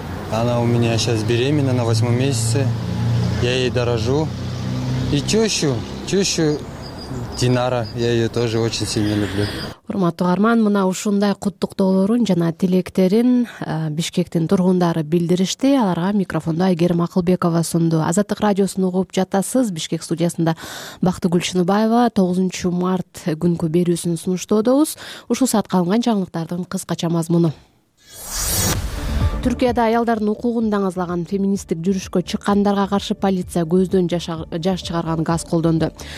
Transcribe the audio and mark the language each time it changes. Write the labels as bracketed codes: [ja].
[ru] Она у меня сейчас беременна на 8-м месяце. Я ей дорожу. И тёщу Динара, я ее тоже очень сильно люблю. [ky] Урматтуу арман, мына ушундай куттуктоолорун жана тилектерин Бишкектин тургундары билдиришти. Аларга микрофондо Айгерим Акылбекова сунду. Азаттык радиосун угуп жатасыз. Бишкек студиясында Бактыгүл Чыныбаева 9 март күнкү берүүсүн сунуштоодобуз. Ушул саат калган жаңылыктардын кыскача мазмуну. Түркияда аялдардын укугун даңазалаган феминисттик жүрүшкө чыккандарга каршы полиция көздөн жаш чыгарган газ колдонду.